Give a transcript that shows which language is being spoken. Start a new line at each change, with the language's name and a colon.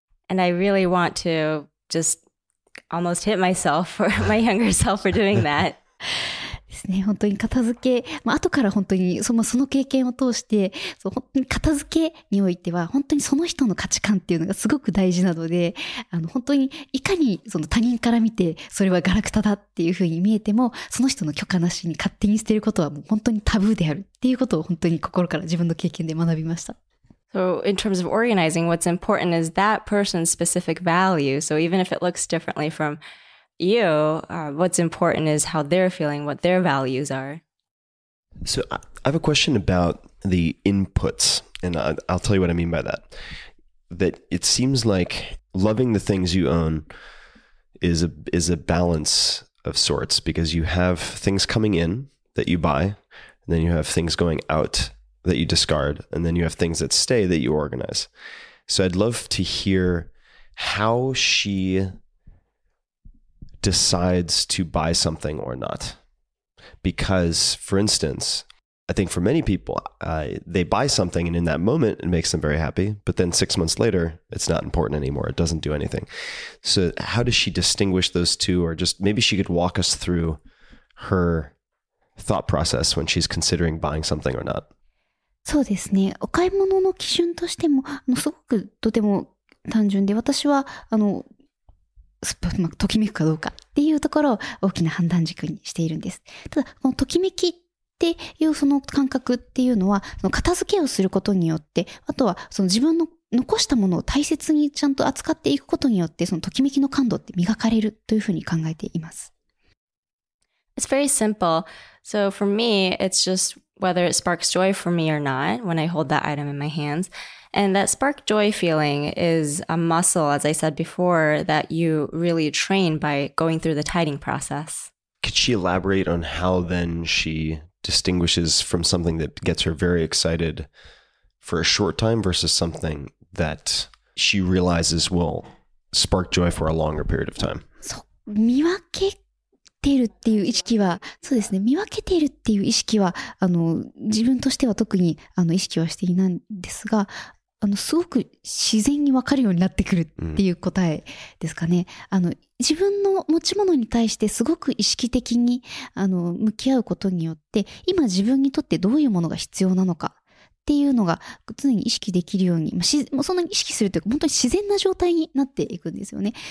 English: And I really want to just almost hit myself for my younger self for doing that.
Japanese: ですね、本当に片付け、まあ、後から本当にその経験を通して、そう、本当に片付けにおいては本当にその人の価値観っていうのがすごく大事なので、本当にいかにその他人から見てそれはガラクタだっていうふうに見えても、その人の許可なしに勝手に捨てることはもう本当にタブーであるっていうことを本当に心から自分の経験で学びました。
English: So in terms of organizing, what's important is that person's specific value. So even if it looks differently from you, what's important is how they're feeling, what their values are. So I have a question about the inputs, and I'll tell you what I mean by that. That it seems like loving the things you own is a balance of sorts, because you have things coming in that you buy, and then you have things going out that you discard, and then you have things that stay that you organize. So I'd love to hear how she decides to buy something or not. Because, for instance, I think for many people, they buy something and in that moment it makes them very happy, but then 6 months later, it's not important anymore. It doesn't do anything. So how does she distinguish those two? Or just maybe she could walk us through her thought process when she's considering buying something or not.
Japanese: そうですね。お買い物の基準としても、すごくとても単純で、私はときめくかどうかっていうところを大きな判断軸にしているんです。ただ、このときめきっていうその感覚っていうのは、その片付けをすることによって、あとはその自分の残したものを大切にちゃんと扱っていくことによって、そのときめきの感度って磨かれるというふうに考えています。
English: It's very simple. So for me, it's just whether it sparks joy for me or not when I hold that item in my hands. And that spark joy feeling is a muscle, as I said before, that you really train by going through the tidying process. Could she elaborate on how then she distinguishes from something that gets her very excited for a short time versus something that she realizes will spark joy for a longer period of time?
Japanese: So, 見分けてるっていう意識は、そうですね、見分けてるっていう意識は、自分としては特に意識はしていないんですが、すごく自然に分かるようになってくるっていう答えですかね。自分の持ち物に対してすごく意識的に向き合うことによって、今自分にとってどういうものが必要なのかっていうのが常に意識できるように、もうそんなに意識するというか本当に自然な状態になっていくんですよね。